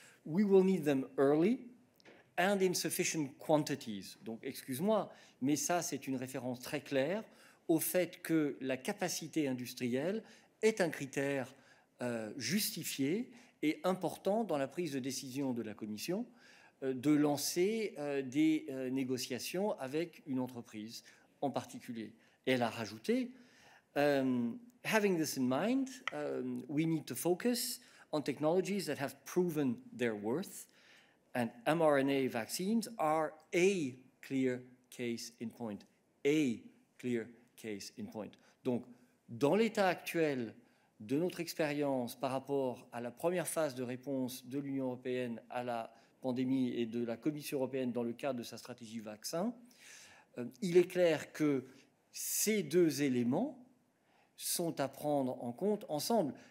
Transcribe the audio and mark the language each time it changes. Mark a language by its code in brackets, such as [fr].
[en] We will need them early and in sufficient quantities. [fr] Donc, excuse-moi, mais ça, c'est une référence très claire au fait que la capacité industrielle est un critère justifié et important dans la prise de décision de la Commission de lancer des négociations avec une entreprise en particulier. Et elle a rajouté, [en] having this in mind, we need to focus on technologies that have proven their worth, and mRNA vaccines are a clear case in point. A clear case in point. [fr] Donc, dans l'état actuel de notre expérience par rapport à la première phase de réponse de l'Union européenne à la pandémie et de la Commission européenne dans le cadre de sa stratégie vaccin, il est clair que ces deux éléments sont à prendre en compte ensemble.